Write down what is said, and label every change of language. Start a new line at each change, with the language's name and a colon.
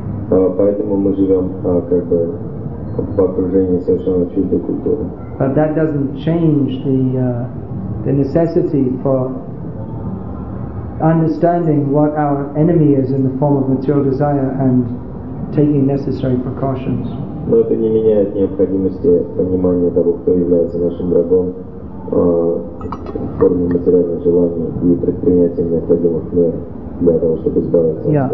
Russian: Поэтому мы живем как бы в окружении совершенно чуждой культуры.
English: But that doesn't change the necessity for understanding what our enemy is in the form of material desire and taking necessary precautions.
Russian: Но это не меняет необходимости понимания того, кто является нашим врагом. В форме материального желания и предпринятия необходимых мер для того, чтобы избавиться от